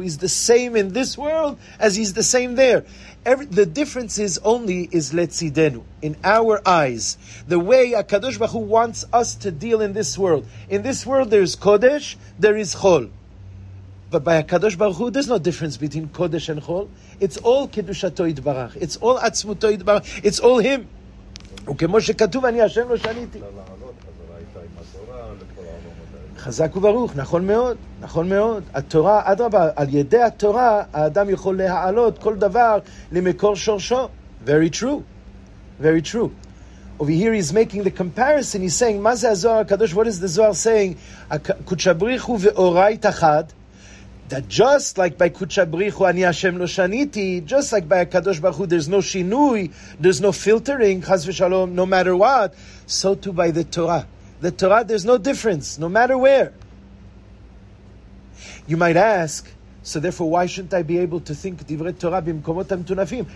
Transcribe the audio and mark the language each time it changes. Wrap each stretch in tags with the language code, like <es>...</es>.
<en>He's the same in this world as he's the same there. The difference is only is letzidenu, in our eyes. The way HaKadosh Baruch Hu wants us to deal in this world. In this world, there is Kodesh, there is Chol. But by HaKadosh Baruch Hu, there's no difference between Kodesh and Chol. It's all Kedushato Yitbarach. It's all Atzmuto Yitbarach. It's all Him.</en> <he>וכמו שכתוב, אני השם לא שניתי. חזק וברוך, נכון מאוד, נכון מאוד. התורה, אדרבה, על ידי התורה, האדם יכול להעלות כל דבר למקור שורשו.</he> <en>Very true, very true. Over here he's making the comparison, he's saying,</en> <he>מה זה הזוהר הקדוש?</he> <en>What is the Zohar saying?</en> <he>קודשא בריך הוא ואורייתא חד.</he> <en>That just like by Kudsha Brichu</en> <he>Ani Hashem Lo Shaniti,</he> <en>just like by HaKadosh Baruch Hu, there's no shinui, there's no filtering, Chas V'Shalom, no matter what, so too by the Torah. The Torah, there's no difference, no matter where. You might ask, so therefore why shouldn't I be able to think</en> <he>Divrei Torah B'Mekomot HaMetunafim?</he>